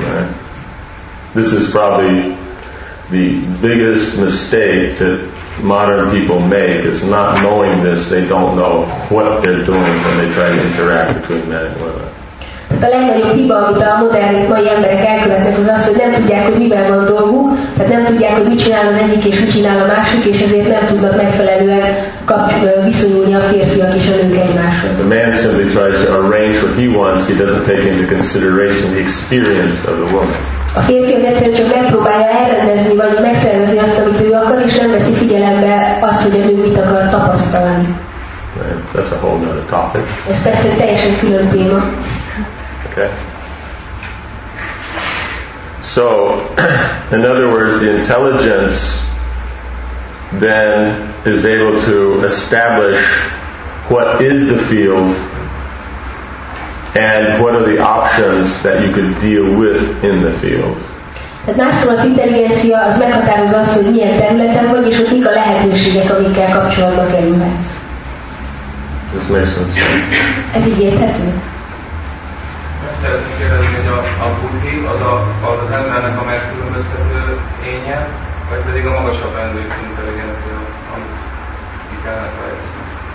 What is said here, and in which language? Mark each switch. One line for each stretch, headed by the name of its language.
English: Right. This is probably the biggest mistake that modern people make, is not knowing this. They don't know what they're doing when they try to interact between men and women.
Hungarian: A legnagyobb hiba, amit a modern mai emberek elkövetnek, az az, hogy nem tudják, hogy miben van dolguk, tehát nem tudják, hogy mit csinál az egyik, és mit csinál a másik, és ezért nem tudnak megfelelően viszonyulni a férfiak és a nők egymáshoz.
English: The man simply tries to arrange what he wants, he doesn't take into consideration the experience of the woman.
Hungarian: A férfi az egyszerűen csak megpróbálja elrendezni, vagy megszervezni azt, amit ő akar, és nem veszi figyelembe azt, hogy a nő mit akar tapasztalni.
English: Right. That's a whole other topic.
Hungarian: Ez persze teljesen külön téma.
English: So, in other words, the intelligence then is able to establish what is the field and what are the options that you could deal with in the field.
Hungarian: Tehát másszor az intelligencia az meghatároz azt, hogy milyen területen vagy, és hogy mik a lehetőségek, amikkel kapcsolatba kerülhetsz.
English: This makes some sense.
Hungarian: Ez így érthető? Szeretnék kérdezni, hogy a buddhi az embernek a megkülönböztető énje, vagy pedig a magasabb rendű intelligencia, amit ki kellene fejlesztenünk.